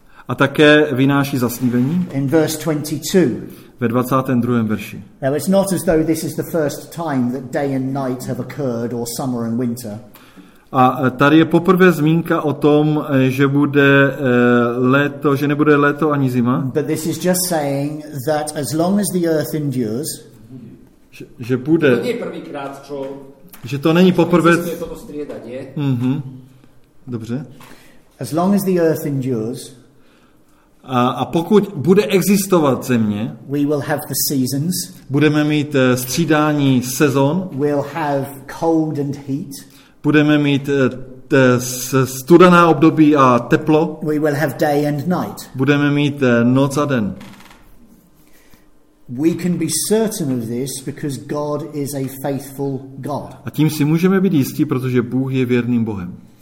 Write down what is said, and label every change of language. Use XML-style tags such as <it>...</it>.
<cs>A také vynáší zaslíbení.</cs> <en>In verse 22.</en> <cs>Ve 22. verši.</cs> <en>Now it's not as though this is the first time that day and night have occurred, or summer and winter.</en> <cs>A tady je poprvé zmínka o tom, že bude léto, že nebude léto ani zima.</cs> <en>But this is just saying that as long as the earth endures.</en> <cs>Že bude. To není</cs> <sk>prvýkrát, čo.</sk> <cs>Že to není poprvé.</cs> <sk>Je toto striedať, je?</sk> <cs>Mm-hmm. Dobře.</cs> <en>As long as the earth endures.</en> <cs>A pokud bude existovat země,</cs> <en>we will have the seasons,</en> <cs>budeme mít střídání sezon,</cs> <en>we'll have cold and heat,</en> <cs>budeme mít studená období a teplo,</cs> <en>we will have day and night,</en> <cs>budeme mít noc a den.</cs> <en>We can be certain of this because God is a faithful God.</en> <cs>A tím si můžeme být jistí, protože Bůh je věrným Bohem.</cs>